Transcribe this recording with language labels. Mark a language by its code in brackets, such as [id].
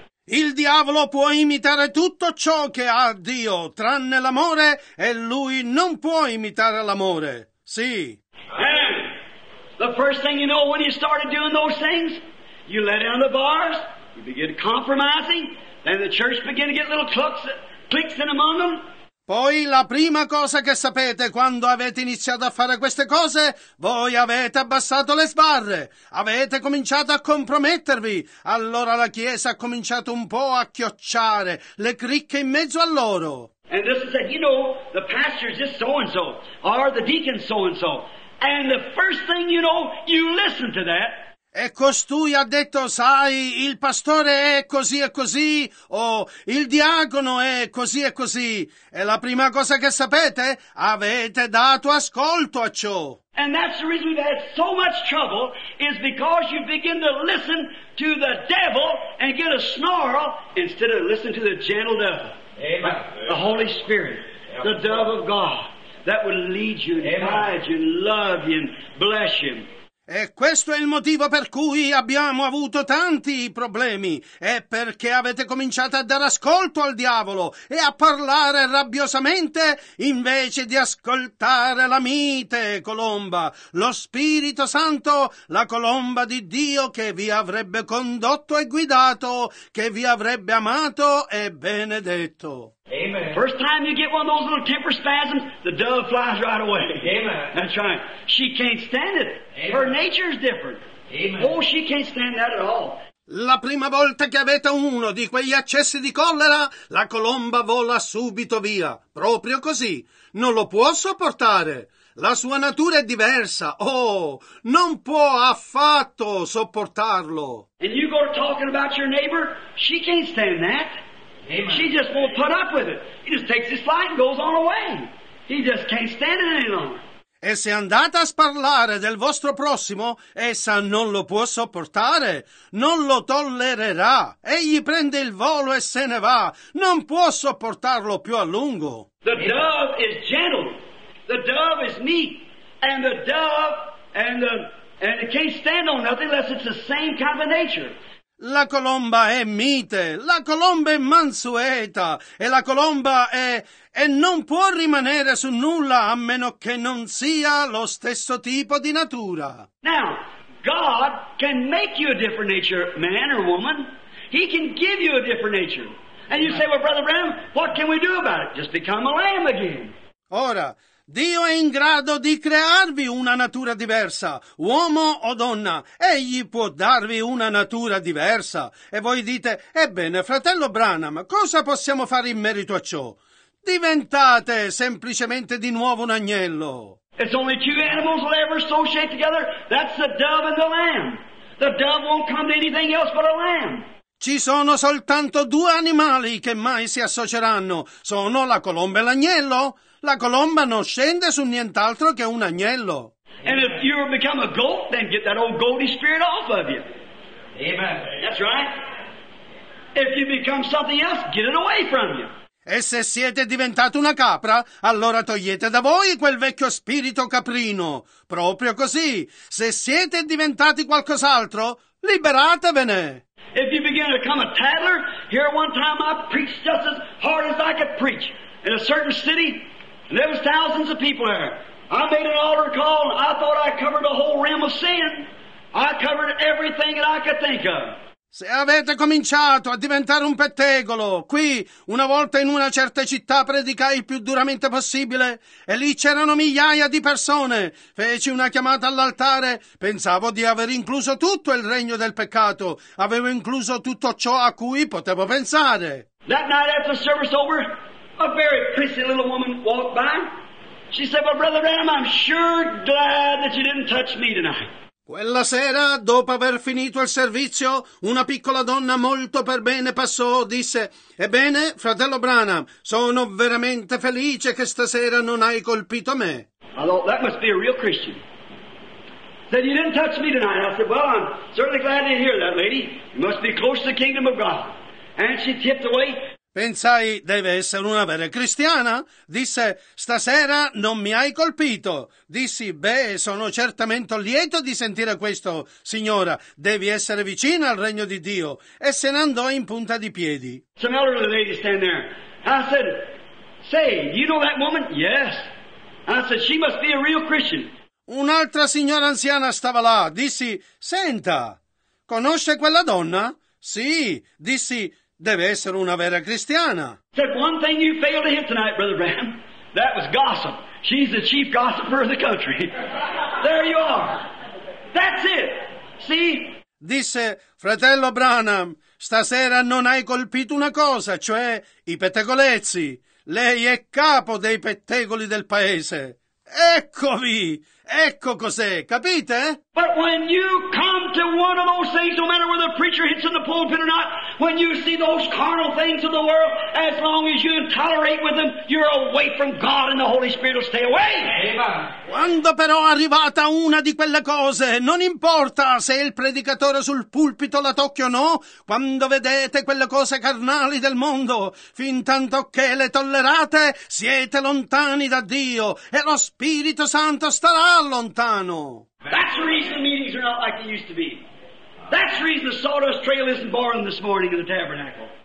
[it] Il diavolo può imitare tutto ciò che ha Dio, tranne l'amore, e lui non può imitare l'amore. Sì. [en] And the first thing you know when you started doing those things, you let down the bars. You begin compromising, and the church begin to get little cliques in among them. [it] Poi la prima cosa che sapete quando avete iniziato a fare queste cose, voi avete abbassato le sbarre, avete cominciato a compromettervi. Allora la chiesa ha cominciato un po' a chiocciare le cricche in mezzo a loro. [en] And this is that, you know, the pastor is just so and so, or the deacon so and so, and the first thing you know, you listen to that. [it] E costui ha detto, sai, il pastore è così e così, o il diacono è così e così. E la prima cosa che sapete, avete dato ascolto a ciò. [en] And that's the reason we've had so much trouble, is because you begin to listen to the devil and get a snarl instead of listen to the gentle dove. Amen. The Holy Spirit, the dove of God, that would lead you, and guide you, and love you, and bless you. [it] E questo è il motivo per cui abbiamo avuto tanti problemi, è perché avete cominciato a dare ascolto al diavolo e a parlare rabbiosamente invece di ascoltare la mite colomba, lo Spirito Santo, la colomba di Dio che vi avrebbe condotto e guidato, che vi avrebbe amato e benedetto. [en] Amen. First time you get one of those little temper spasms, the dove flies right away. Amen. That's right. She can't stand it. Amen. Her nature is different. Amen. Oh, she can't stand that at all. [it] La prima volta che avete uno di quegli accessi di collera, la colomba vola subito via. Proprio così. Non lo può sopportare. La sua natura è diversa. Oh, non può affatto sopportarlo. [en] And you go to talking about your neighbor, she can't stand that. Amen. She just won't put up with it. He just takes his flight and goes on away. He just can't stand it any longer. [it] E se andate a parlare del vostro prossimo, essa non lo può sopportare, non lo tollererà. Egli prende il volo e se ne va, non può sopportarlo più a lungo. [en] The dove is gentle, the dove is meek, and the dove, and it can't stand on nothing unless it's the same kind of nature. [it] La colomba è mite, la colomba è mansueta, e la colomba è... e non può rimanere su nulla a meno che non sia lo stesso tipo di natura. [en] Now, God can make you a different nature, man or woman. He can give you a different nature. And you say, well, Brother Branham, what can we do about it? Just become a lamb again. [it] Ora, Dio è in grado di crearvi una natura diversa, uomo o donna. Egli può darvi una natura diversa. E voi dite, ebbene, fratello Branham, cosa possiamo fare in merito a ciò? Diventate semplicemente di nuovo un agnello. [en] It's only two animals will ever associate together. That's the dove and the lamb. The dove won't come to anything else but a lamb. [it] Ci sono soltanto due animali che mai si associeranno. Sono la colomba e l'agnello. La colomba non scende su nient'altro che un agnello. [en] And if you become a goat, then get that old goaty spirit off of you. Amen. That's right. If you become something else, get it away from you. [it] E se siete diventati una capra, allora togliete da voi quel vecchio spirito caprino. Proprio così. Se siete diventati qualcos'altro, liberatevene. [en] If you begin to become a tattler, here one time I preached just as hard as I could preach in a certain city. And there was thousands of people there. I made an altar call and I thought I covered the whole realm of sin. I covered everything that I could think of. [it] Se avete cominciato a diventare un pettegolo, qui, una volta in una certa città, predicai il più duramente possibile, e lì c'erano migliaia di persone. Feci una chiamata all'altare, pensavo di aver incluso tutto il regno del peccato, avevo incluso tutto ciò a cui potevo pensare. [en] That night after service over, a very pretty little woman walked by. She said, well, Brother Branham, I'm sure glad that you didn't touch me tonight. [it] Quella sera, dopo aver finito il servizio, una piccola donna molto per bene passò, disse, ebbene, fratello Branham, sono veramente felice che stasera non hai colpito me. [en] I thought, that must be a real Christian. Said, you didn't touch me tonight. I said, well, I'm certainly glad to hear that, lady. You must be close to the kingdom of God. And she tipped away. [it] Pensai, deve essere una vera cristiana. Disse, stasera non mi hai colpito. Dissi, beh, sono certamente lieto di sentire questo, signora. Devi essere vicina al regno di Dio. E se ne andò in punta di piedi. [en] Some elderly lady stand there. I said, say, you know that woman? Yes. I said, she must be a real Christian. [it] Un'altra signora anziana stava là. Dissi, senta, conosce quella donna? Sì. Dissi, deve essere una vera cristiana. [en] Said one thing you failed to hit tonight, Brother Branham. That was gossip. She's the chief gossiper of the country. There you are. That's it. See? [it] Disse, fratello Branham, stasera non hai colpito una cosa, cioè i pettegolezzi. Lei è capo dei pettegoli del paese. Eccovi! Ecco cos'è, capite? [en] But when you come to one of those things, no matter whether the preacher hits in the pulpit or not, when you see those carnal things of the world, as long as you tolerate with them, you're away from God and the Holy Spirit will stay away. [it] Quando però arrivata una di quelle cose, non importa se il predicatore sul pulpito la tocchi o no, quando vedete quelle cose carnali del mondo, fin tanto che le tollerate, siete lontani da Dio e lo Spirito Santo starà lontano. [en] That's the reason the meetings are not like they used to be. That's the reason the sawdust trail isn't boring this morning in the tabernacle.